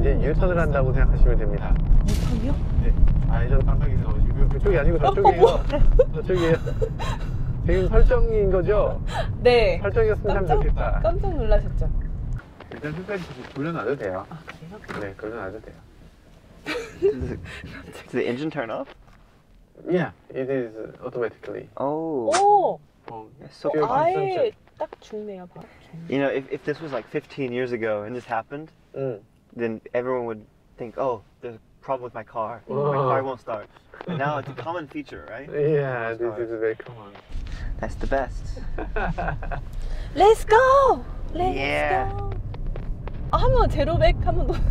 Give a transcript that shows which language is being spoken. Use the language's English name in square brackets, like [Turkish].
[Korean] 이제 유턴을 한다고 있어요. 생각하시면 됩니다. 유턴이요? 네. 아 이전 깜빡이세요. 그쪽이 아니고 저쪽이에요. 저쪽이에요. 지금 설정인 거죠? 네. 설정이었으면 참 좋겠다. 깜짝 놀라셨죠? 일단 끝까지 돌려놔도 돼요. 아 그래요? 네 돌려놔도 돼요. [English] Does the engine turn off? Yeah, it is automatically. Oh. So oh, [Korean] 아예 딱 죽네요. 바로 [English] You know, if this was like 15 years ago and this happened, then everyone would think, oh, there's a problem with my car. My car won't start. But now it's a common feature, right? Yeah, this is very common. That's the best. Let's go! Let's yeah. go! [Korean] 한번 제로백 한번 더.